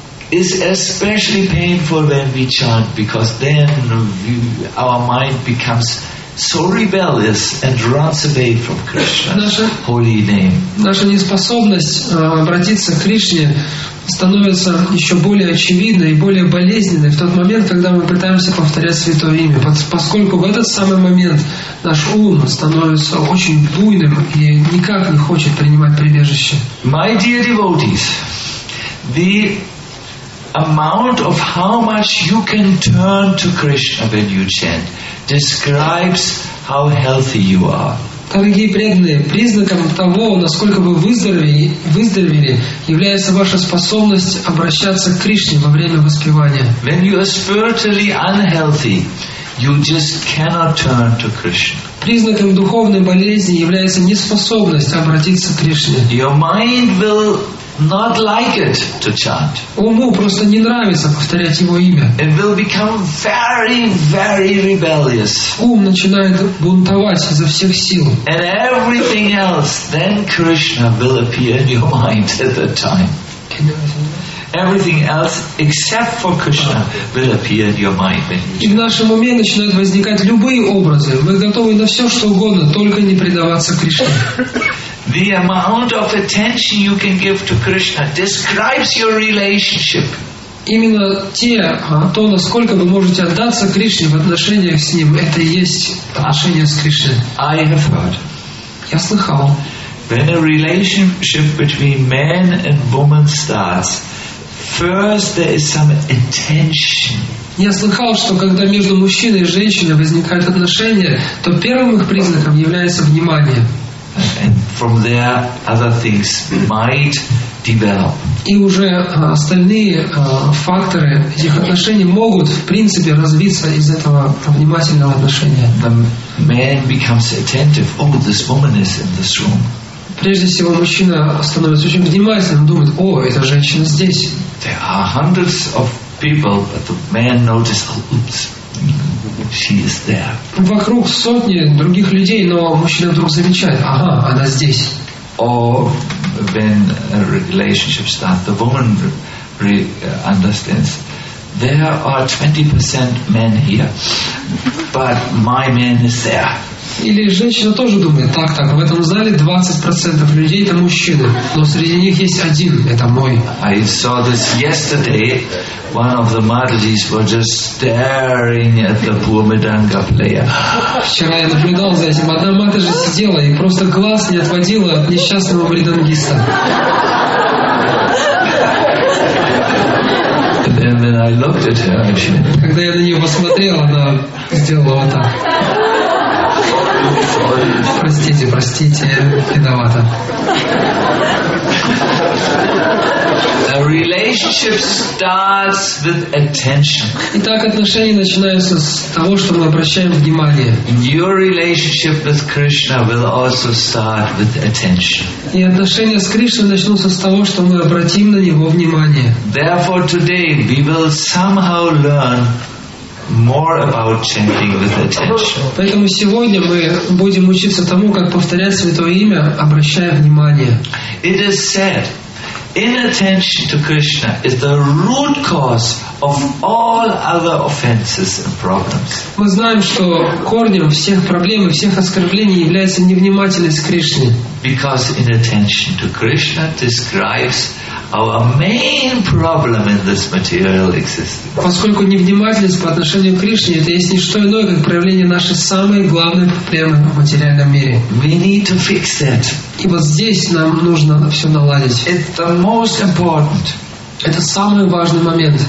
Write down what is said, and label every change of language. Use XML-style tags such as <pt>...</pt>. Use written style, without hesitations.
<en>is especially painful when we chant, because then our mind becomes so rebellious and runs away from Krishna's holy name.</en> <ru>Наша неспособность обратиться к Кришне становится еще более очевидной и более болезненной в тот момент, когда мы пытаемся повторять святое имя, поскольку в этот самый момент наш ум становится очень буйным и никак не хочет принимать прибежище.</ru> <en>My dear devotees, the amount of how much you can turn to Krishna when you chant describes how healthy you are.</en> <ru>Дорогие преданные, признаком того, насколько вы выздоровели, является ваша способность обращаться к Кришне во время воспевания.</ru> <en>When you are spiritually unhealthy, you just cannot turn to Krishna.</en> <ru>Признаком духовной болезни является неспособность обратиться к Кришне.</ru> <en>Your mind will not like it to chant.</en> <ru>Уму просто не нравится повторять его имя.</ru> <en>It will become very, very rebellious.</en> <ru>Ум начинает бунтовать изо всех сил.</ru> <en>And everything else, then Krishna will appear in your mind at that time. Everything else except for Krishna will appear in your mind.</en> <ru>И в нашем уме начинают возникать любые образы. Мы готовы на все, что угодно, только не предаваться Кришне.</ru> <en>The amount of attention you can give to Krishna describes your relationship.</en> <ru>Именно то, насколько вы можете отдаться Кришне в отношениях с Ним, это и есть отношения с Кришной.</ru> <en>I have heard.</en> <ru>Я слыхал.</ru> <en>When a relationship between man and woman starts, first there is some attention.</en> <ru>Я слыхал, что когда между мужчиной и женщиной возникают отношения, то первым их признаком является внимание.</ru> <en>And from there, other things might develop.</en> <ru>И уже остальные факторы этих отношений могут, в принципе, развиться из этого внимательного отношения.</ru> <en>The man becomes attentive. Oh, this woman is in this room.</en> <ru>Прежде всего, мужчина становится очень внимательным, думает: о, эта женщина здесь.</ru> <en>There are hundreds of people, but the man notices. Oops. She is there.</en> <ru>Вокруг сотни других людей, но мужчина вдруг замечает: ага, она здесь.</ru> <en>Or when a relationship starts, the woman understands there are 20% men here, but my man is there.</en> <ru>Или женщина тоже думает: так, так, в этом зале 20% людей — это мужчины, но среди них есть один, это мой.</ru> <en>I saw this yesterday. One of the Madhuris were just staring at the poor Madanga player.</en> <ru>Вчера я наблюдал за этим. Одна Мадхуджи сидела и просто глаз не отводила от несчастного мридангиста.</ru> <en>And then I looked at her.</en> <ru>Когда я на нее посмотрел, она сделала вот так. Простите, простите, виновата.</ru> <en>A relationship starts with attention.</en> <ru>Итак, отношения начинаются с того, что мы обращаем внимание.</ru> <en>Your relationship with Krishna will also start with attention.</en> <ru>И отношения с Кришной начнутся с того, что мы обратим на него внимание.</ru> <en>Therefore, today we will somehow learn more about chanting with attention.</en> <ru>Поэтому сегодня мы будем учиться тому, как повторять святое имя, обращая внимание.</ru> <en>It is said, inattention to Krishna is the root cause of all other offenses and problems.</en> <ru>Мы знаем, что корнем всех проблем и всех оскорблений является невнимательность к Кришне.</ru> <en>Because inattention to Krishna describes our main problem in this material existence.</en> <ru>Поскольку невнимательность по отношению к Кришне — это есть не что иное, как проявление нашей самой главной проблемы в материальном мире.</ru> <en>We need to fix that.</en> <ru>И вот здесь нам нужно все наладить.</ru> <en>It's the most important.</en> <ru>Это самый важный момент.</ru>